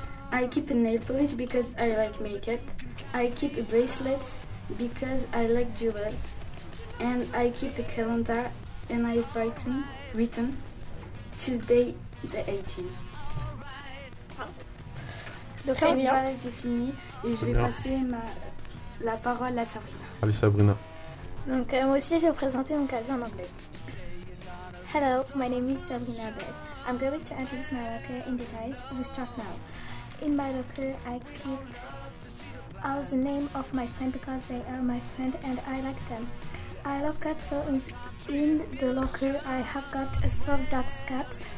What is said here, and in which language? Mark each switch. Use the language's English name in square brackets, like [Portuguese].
[English] I keep a nail polish because I like makeup. I keep a bracelet because I like jewels. And I keep a calendar and I have written Tuesday the 18th. [French] Donc, très bien. Voilà, j'ai fini et c'est je vais bien. Passer la parole à Sabrina. Allez, Sabrina. Donc, moi aussi, je vais présenter mon casier en anglais. [English] Hello, my name is Sabrina Bell. I'm going to introduce my locker in details. We start now. In my locker, I keep all the name of my friend because they are my friend and I like them. I love cats, so in the locker, I have got a soft dog cat.